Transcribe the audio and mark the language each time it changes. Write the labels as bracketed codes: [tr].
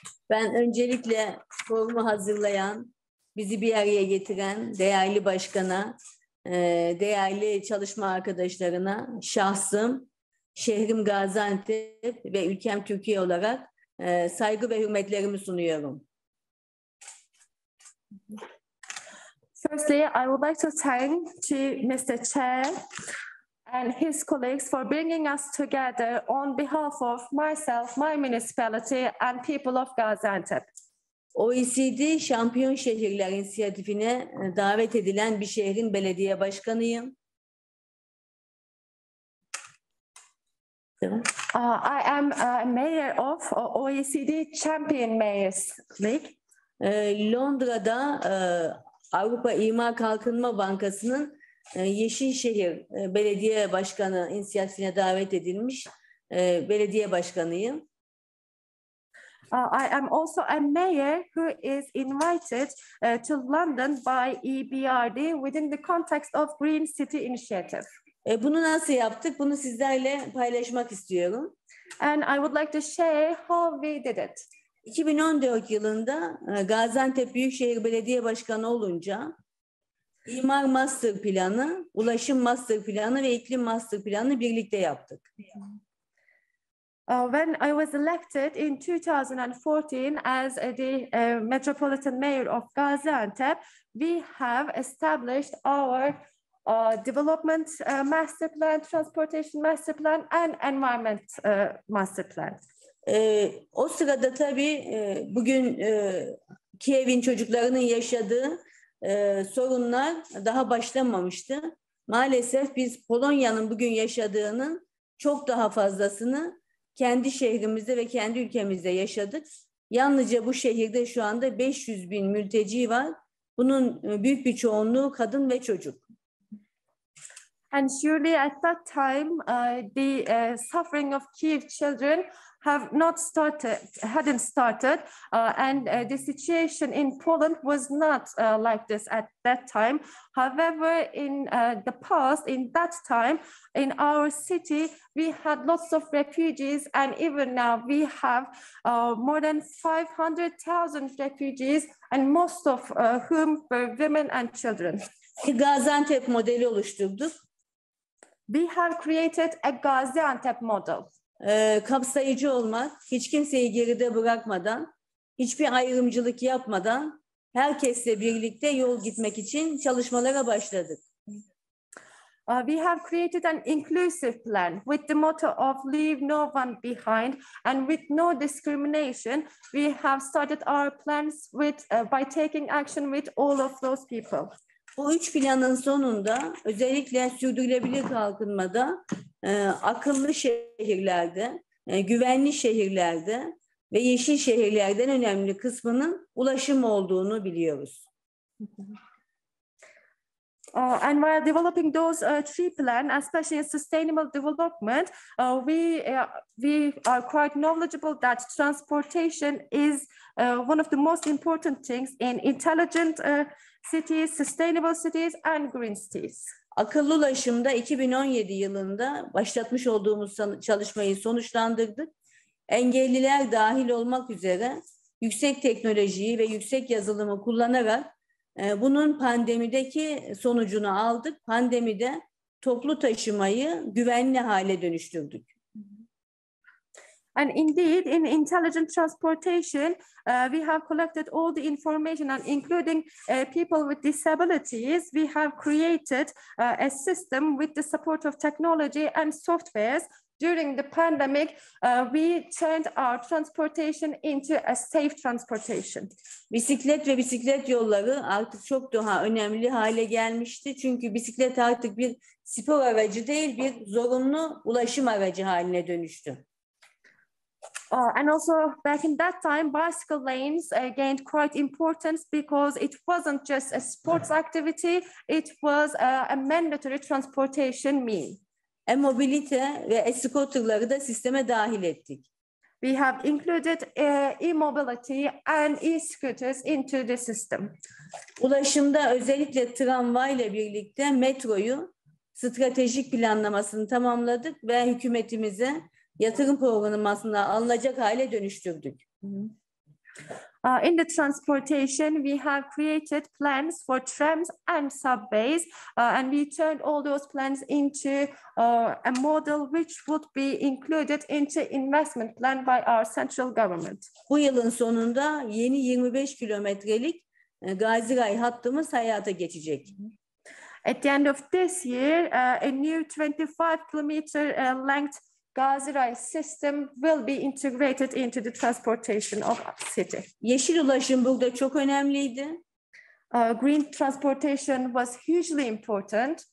[tr] Ben öncelikle forumu hazırlayan, bizi bir araya getiren değerli başkana, değerli çalışma arkadaşlarına, şahsım, şehrim Gaziantep ve ülkem Türkiye olarak saygı ve hürmetlerimi sunuyorum. [en] Firstly, I would like to thank to Mr. Chair and his colleagues for bringing us together on behalf of myself, my municipality, and people of Gaziantep. [tr] OECD Şampiyon Şehirler İnisiyatifine davet edilen bir şehrin belediye başkanıyım. [en] I am a mayor of OECD Champion Mayors League. [tr] Londra'da Avrupa İmar Kalkınma Bankası'nın Yeşilşehir Belediye Başkanı inisiyatifine davet edilmiş belediye başkanıyım. [en] I am also a mayor who is invited to London by EBRD within the context of Green City Initiative. [tr] Bunu nasıl yaptık? Bunu sizlerle paylaşmak istiyorum. [en] And I would like to share how we did it. [tr] 2014 yılında Gaziantep Büyükşehir Belediye Başkanı olunca İmar Master Planı, Ulaşım Master Planı ve İklim Master Planı birlikte yaptık. [en] When I was elected in 2014 as the Metropolitan Mayor of Gaziantep, we have established our Development Master Plan, Transportation Master Plan and Environment Master Plan. [tr] O sırada tabii bugün Kiev'in çocuklarının yaşadığı sorunlar daha başlamamıştı. Maalesef biz Polonya'nın bugün yaşadığının çok daha fazlasını kendi şehrimizde ve kendi ülkemizde yaşadık. Yalnızca bu şehirde şu anda 500 bin mülteci var. Bunun büyük bir çoğunluğu kadın ve çocuk. [en] And surely at that time, the suffering of Kyiv children have not started, hadn't started, and the situation in Poland was not like this at that time. However, in the past, in that time, in our city, we had lots of refugees, and even now we have more than 500,000 refugees, and most of whom were women and children. [tr] Gaziantep modeli oluşturduk. [en] We have created a Gaziantep model. [tr] Kapsayıcı olmak, hiç kimseyi geride bırakmadan, hiçbir ayrımcılık yapmadan, herkesle birlikte yol gitmek için çalışmalara başladık. [en] We have created an inclusive plan with the motto of leave no one behind and with no discrimination. We have started our plans with by taking action with all of those people. [tr] Bu üç planın sonunda özellikle sürdürülebilir kalkınmada akıllı şehirlerde, güvenli şehirlerde ve yeşil şehirlerden önemli kısmının ulaşım olduğunu biliyoruz. [en] And while developing those three plans, especially in sustainable development, we are quite knowledgeable that transportation is one of the most important things in intelligent cities, sustainable cities and green cities. [tr] Akıllı ulaşımda 2017 yılında başlatmış olduğumuz çalışmayı sonuçlandırdık. Engelliler dahil olmak üzere yüksek teknolojiyi ve yüksek yazılımı kullanarak bunun pandemideki sonucunu aldık. Pandemide toplu taşımayı güvenli hale dönüştürdük. [en] And indeed, in intelligent transportation, we have collected all the information and including people with disabilities, we have created a system with the support of technology and softwares. During the pandemic, we turned our transportation into a safe transportation. [tr] Bisiklet ve bisiklet yolları artık çok daha önemli hale gelmişti. Çünkü bisiklet artık bir spor aracı değil, bir zorunlu ulaşım aracı haline dönüştü. [en] And also back in that time, bicycle lanes gained quite importance because it wasn't just a sports activity, it was a mandatory transportation mean. [tr] E-mobilite ve e-scooter'ları da sisteme dahil ettik. [en] We have included e-mobility and e-scooters into the system. [tr] Ulaşımda özellikle tramvayla birlikte metroyu stratejik planlamasını tamamladık ve hükümetimize yatırım programımızda alınacak hale dönüştürdük. [en] In the transportation, we have created plans for trams and subways, and we turned all those plans into a model which would be included into investment plan by our central government. [tr] Bu yılın sonunda yeni 25 kilometrelik Gazi Ray hattımız hayata geçecek. [en] At the end of this year, a new 25 kilometer length Gazi Ray system will be integrated into the transportation of city. [tr] Yeşil ulaşım burada çok önemliydi. [en] Green transportation was hugely important.